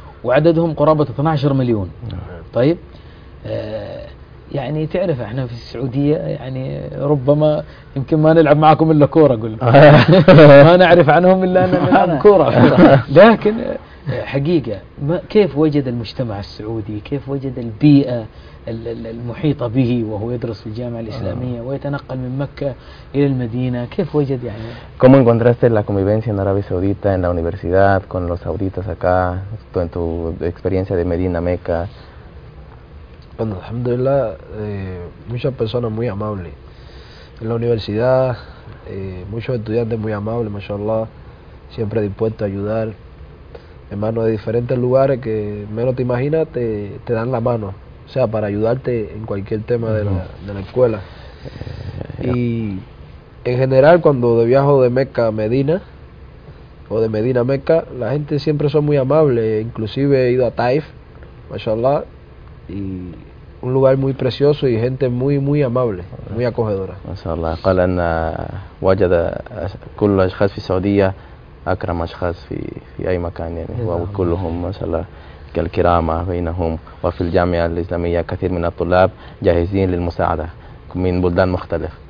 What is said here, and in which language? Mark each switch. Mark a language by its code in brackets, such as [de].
[ar] وعددهم قرابة 12 مليون نعم. طيب يعني تعرف احنا في السعودية يعني ربما يمكن ما نلعب معكم إلا كورة أقول ما نعرف عنهم إلا أننا كورة لكن حقيقة ما كيف وجد المجتمع السعودي كيف وجد البيئة المحيطة به وهو يدرس في الجامعة الإسلامية ويتنقل من مكة إلى المدينة كيف وجد يعني؟ [es] ¿Cómo encontraste la convivencia en Arabia Saudita en la universidad con los sauditas acá en tu experiencia de Medina Meca? Bueno, alhamdulillah, muchas personas muy amables en la universidad, muchos estudiantes muy amables, mashallah, siempre dispuestos a ayudar. Hermanos de diferentes lugares que menos te imaginas te dan la mano. O sea, para ayudarte en cualquier tema de la escuela. Y en general, cuando viajo de Meca a Medina, o de Medina a Meca, la gente siempre son muy amables. Inclusive he ido a Taif, mashallah, y un lugar muy precioso y gente muy, muy amable, muy acogedora. [ar] Mashallah, قال أن وجد كل الأشخاص في السعودية أكرم أشخاص في أي مكان يعني وكلهم مashallah. الكرامة بينهم وفي الجامعة الإسلامية كثير من الطلاب جاهزين للمساعدة من بلدان مختلف